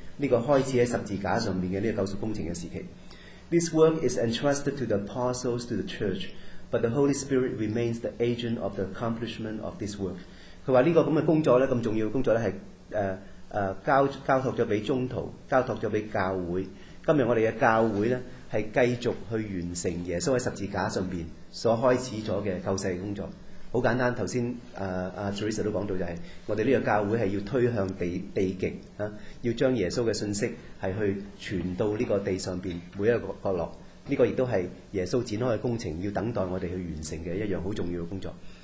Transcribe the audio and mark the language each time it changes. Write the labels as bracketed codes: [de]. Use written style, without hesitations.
[zh] 这个开始在十字架上面的这个救赎工程的时期。 [en] This work is entrusted to the apostles, to the church, but the Holy Spirit remains the agent of the accomplishment of this work. [zh] 他说这个这样的工作呢，这么重要的工作呢，是交托了给宗徒，交托了给教会。今天我们的教会呢，是继续去完成耶稣在十字架上面所开始了的救世的工作。很简单，刚才Teresa都讲到，就是我们这个教会是要推向 地极、啊、要将耶稣的信息是去传到这个地上面每一个角落，这个也是耶稣展开的工程，要等待我们去完成的一样很重要的工作。